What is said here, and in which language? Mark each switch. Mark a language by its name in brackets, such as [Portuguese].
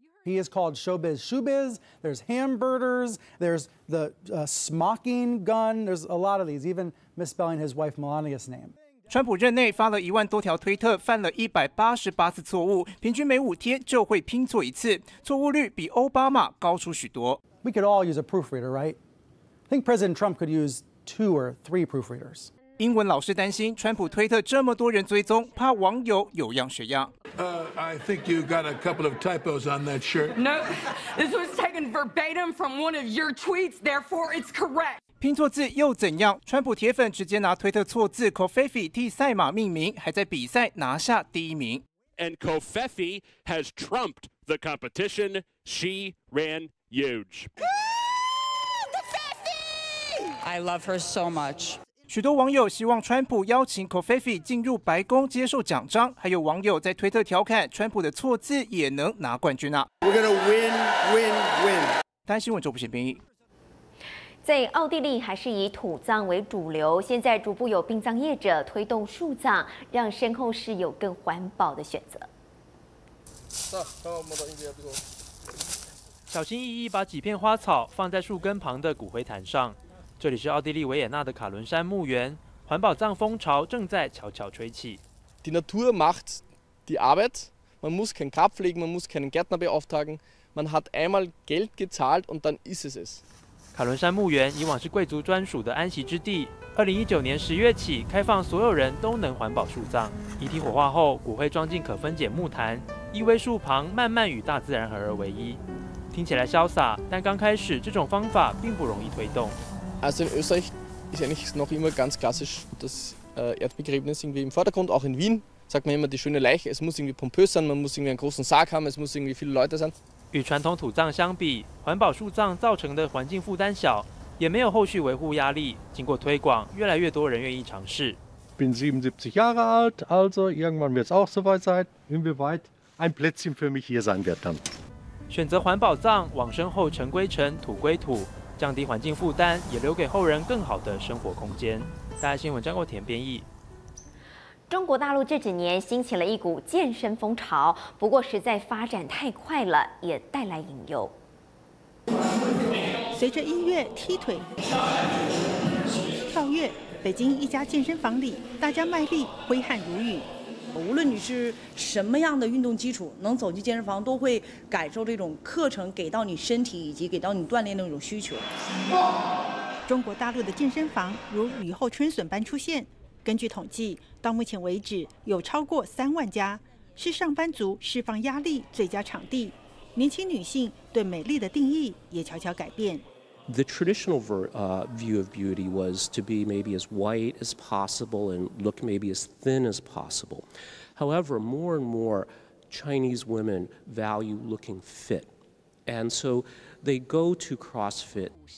[English] He is called Showbiz Shoebiz. There's hamburgers. There's the smocking gun. There's a lot of these, even misspelling his wife Melania's name. [Chinese] 川普任内发了10000多条推特，犯了188次错误，平均每5天就会拼错一次，错误率比奥巴马高出许多。 [English] We could all use a proofreader, right? I think President Trump could use 2 or 3 proofreaders. [Chinese] 英文老师担心川普推特这么多人追踪，怕网友有样学样。 [English] I think you got a couple of typos on that shirt. No, this was taken verbatim from one of your tweets, therefore it's correct. [Chinese] 拼错字又怎样？川普铁粉直接拿推特错字 Covfefe 替赛马命名，还在比赛拿下第一名。 [English] And Covfefe has trumped the competition. She ran huge. Covfefe! I love her so much. [Chinese] 许多网友希望川普邀请 Covfefe 进入白宫接受奖章，还有网友在推特调侃川普的错字也能拿冠军啊。 [English] We're gonna win, win, win. [Chinese] 台新闻周不贤编译。在奥地利还是以土葬为主流，现在逐步有殡葬业者推动树葬，让身后事有更环保的选择。小心翼翼把几片花草放在树根旁的骨灰坛上。这里是奥地利维也纳的卡伦山墓园，环保葬风潮正在悄悄吹起。 [German] Die Natur macht die Arbeit. Man muss kein Grab pflegen, man muss keinen Gärtner beauftragen. Man hat einmal Geld gezahlt und dann ist es es. [Chinese] 卡伦山墓园以往是贵族专属的安息之地。2019年10月起，开放所有人都能环保树葬。遗体火化后，骨灰装进可分解木坛，依偎树旁，慢慢与大自然合而为一。听起来潇洒，但刚开始这种方法并不容易推动。 [German] Also in Österreich ist eigentlich noch immer ganz klassisch, dass Erdbegräbnis irgendwie im Vordergrund, auch in Wien. Sagt man immer die schöne Leiche, es muss irgendwie pompös sein, man muss irgendwie einen großen Sarg haben, es muss irgendwie viele Leute sein. [Chinese] 与传统土葬相比，环保树葬造成的环境负担小，也没有后续维护压力。经过推广，越来越多人愿意尝试。 [German] Bin 77 Jahre alt, also irgendwann wird es auch soweit sein, inwieweit ein Plätzchen für mich hier sein wird dann. [Chinese] 选择环保葬，往生后尘归尘，土归土，降低环境负担，也留给后人更好的生活空间。大爱新闻张国田编译。中国大陆这几年兴起了一股健身风潮，不过实在发展太快了，也带来隐忧。随着音乐、踢腿、跳跃，北京一家健身房里，大家卖力，挥汗如雨。无论你是什么样的运动基础，能走进健身房，都会感受这种课程给到你身体以及给到你锻炼的那种需求。中国大陆的健身房如雨后春笋般出现。根据统计，到目前为止有超过30000家，是上班族释放压力最佳场地。年轻女性对美丽的定义也悄悄改变。 [English] The traditional view of beauty was to be maybe as white as possible and look maybe as thin as possible. However, more and more Chinese women value looking fit, and so they go to CrossFit.